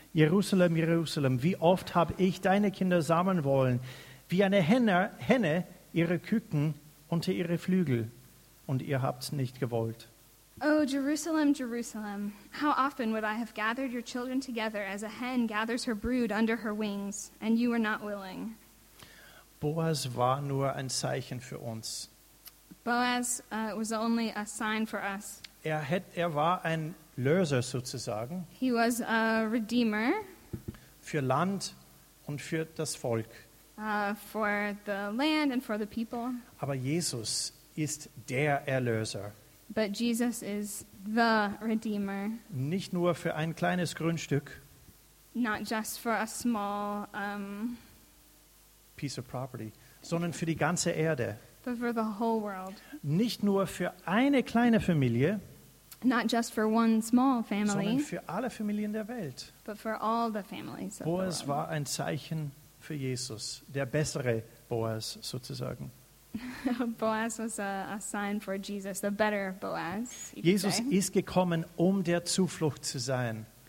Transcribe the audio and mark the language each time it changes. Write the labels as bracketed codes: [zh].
[de] Jerusalem, Jerusalem, wie oft habe ich deine Kinder sammeln wollen, wie eine Henne ihre Küken unter ihre Flügel. Und ihr habt's nicht gewollt. [en] Oh, Jerusalem, Jerusalem, how often would I have gathered your children together as a hen gathers her brood under her wings, and you were not willing. [de] Boaz war nur ein Zeichen für uns. [en] Boaz was only a sign for us. [de] Er war ein Löser sozusagen. [en] He was a redeemer. [de] Für Land und für das Volk. [en] For the land and for the people. [de] Aber Jesus ist der Erlöser. [en] But Jesus is the Redeemer. [de] Nicht nur für ein kleines Grundstück. [en] Not just for a small piece of property, [de] sondern für die ganze Erde. [en] But for the whole world. [de] Nicht nur für eine kleine Familie. [en] Not just for one small family. [de] Sondern für alle Familien der Welt. [en] But for all the families of Boaz the world. [de] Boaz war ein Zeichen für Jesus, der bessere Boaz sozusagen. [en] Boaz was a sign for Jesus, the better Boaz. [de] Jesus ist gekommen, um der Zuflucht zu sein.